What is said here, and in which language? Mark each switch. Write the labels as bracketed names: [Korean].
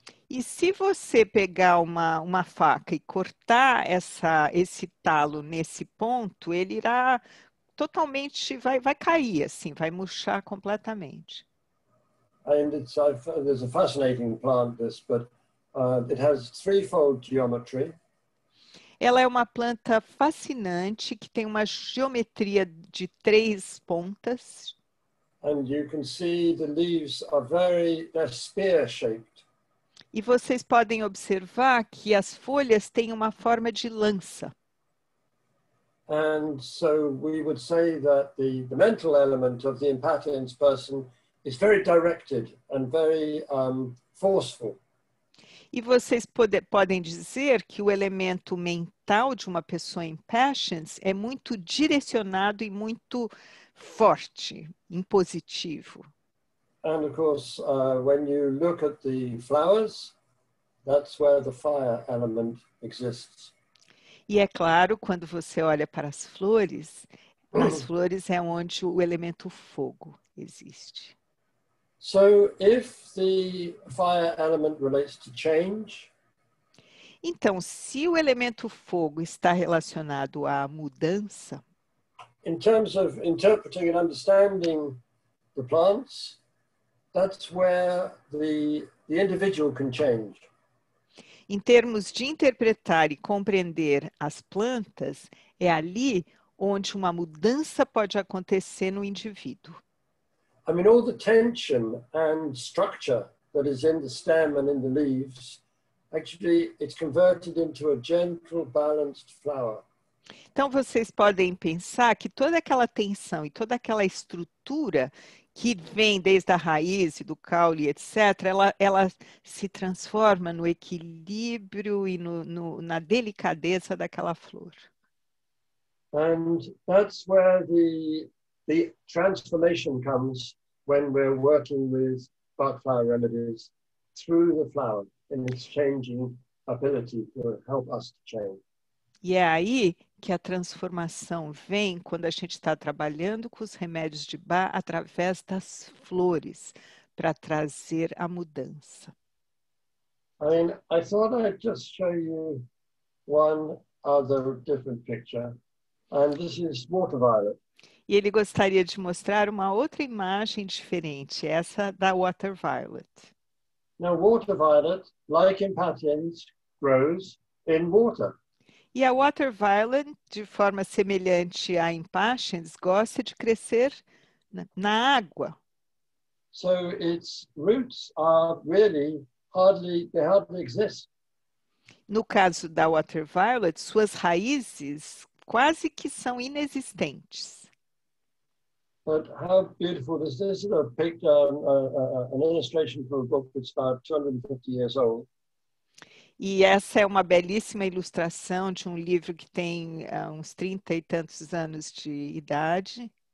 [Portuguese] E se você pegar uma faca e cortar esse talo nesse ponto, ele irá totalmente, vai cair assim, vai murchar completamente. [English] And there's a fascinating plant, this, but it has threefold geometry. [Portuguese] Ela é uma planta fascinante que tem uma geometria de três pontas. [English] And you can see the leaves are they're spear-shaped. [Portuguese] E vocês podem observar que as folhas têm uma forma de lança. [English] And so we would say that the mental element of the impatiens person is very directed and very forceful. [Portuguese] E vocês podem dizer que o elemento mental de uma pessoa em impatiens é muito direcionado e muito forte, impositivo. [English] And of course, when you look at the flowers, that's where the fire element exists. [Portuguese] E é claro, quando você olha para as flores, as flores é onde o elemento fogo existe. [English] So if the fire element relates to change, [Portuguese] então se o elemento fogo está relacionado à mudança, [English] in terms of interpreting and understanding the plants, that's where the individual can change. [Portuguese] Em termos de interpretar e compreender as plantas, é ali onde uma mudança pode acontecer no indivíduo. [English] I mean, all the tension and structure that is in the stem and in the leaves, actually, it's converted into a gentle, balanced flower. [Portuguese] Então, vocês podem pensar que toda aquela tensão e toda aquela estrutura que vem desde a raiz, do caule, etc., ela se transforma no equilíbrio e na delicadeza daquela flor. [English] And that's where the transformation comes when we're working with Bach flower remedies through the flower in its changing ability to help us to change. [Portuguese] E é aí que a transformação vem quando a gente está trabalhando com os remédios de Bach através das flores para trazer a mudança. [English] I thought I'd just show you one other different picture, and this is water violet. [Portuguese] E ele gostaria de mostrar uma outra imagem diferente, essa da water violet. [English] Now, water violet, like impatiens, grows in water. [Portuguese] E a water violet, de forma semelhante à impatiens, gosta de crescer na água. [English] So its roots are really hardly exist. [Portuguese] No caso da water violet, suas raízes quase que são inexistentes. [English] But how beautiful this is. This is an illustration for a book that's about 250 years old. [Portuguese] E essa é uma belíssima ilustração de um livro que tem uns 30 e tantos anos de idade.